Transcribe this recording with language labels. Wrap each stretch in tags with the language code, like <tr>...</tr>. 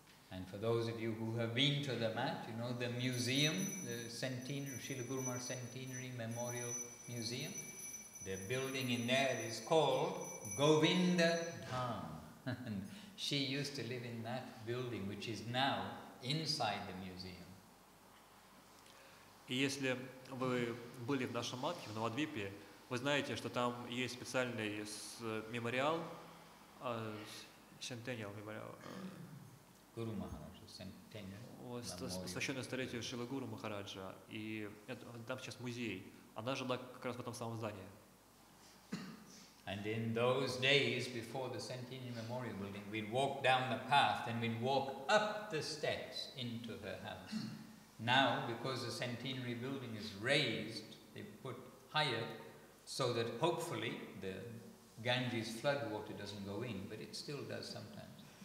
<en>And for those of you who have been to the mat, you know the museum, the centenary, Srila Guru Maharaj Centenary Memorial Museum, the building in there is called Govinda Dham. And she used to live in that building, which is now inside the museum.</en> <ru>И если вы были в нашем матхе, в Навадвипе, вы знаете, что там есть специальный мемориал, Centennial мемориал. Гуру Махарадж, Centennial. Посвященное столетию Шрилы Гуру Махараджа. И там сейчас музей. Она жила как раз в этом самом здании.</ru> <en>And in those days before the Centennial Memorial Building, we'd walk down the path and we'd walk up the steps into her house. Now, because the Centennial Building is raised, they put higher, so that hopefully the Ganges flood water doesn't go in, but it still does sometimes.</en>